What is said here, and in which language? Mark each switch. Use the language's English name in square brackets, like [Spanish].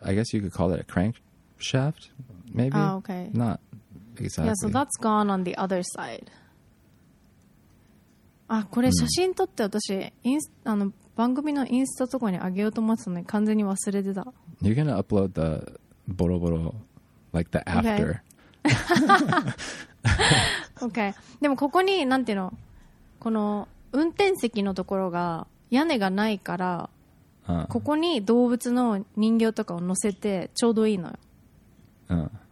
[English] I guess you could call it a crankshaft, maybe. Ah, okay. Not exactly. Yeah, so that's gone on the other side. [Japanese] Ah, これ写真撮って私インスあの番組のインスタとかにあげようと思ってたのに完全に忘れてた。 [English] You're gonna upload the ボロボロ like the after. Okay. [Japanese] でもここになんていうのこの運転席のところが屋根がないから、ここに動物の人形とかを乗せてちょうどいいのよ。